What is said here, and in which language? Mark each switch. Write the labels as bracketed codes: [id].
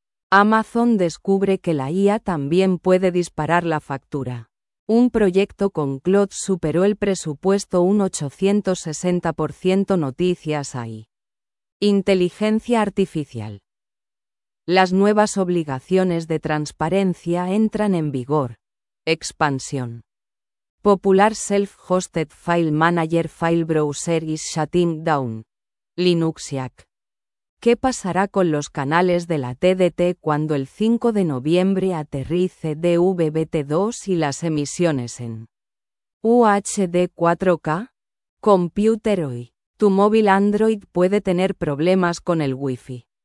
[es] Amazon descubre que la IA también puede disparar la factura. Un proyecto con Cloud superó el presupuesto un 860%. Noticias ahí. Inteligencia artificial. Las nuevas obligaciones de transparencia entran en vigor. Expansión. [en] Popular Self-Hosted File Manager File Browser is shutting down. Linux IAC. [es] ¿Qué pasará con los canales de la TDT cuando el 5 de noviembre aterrice DVB-T2 y las emisiones en UHD 4K? Computer Hoy. Tu móvil Android puede tener problemas con el Wi-Fi.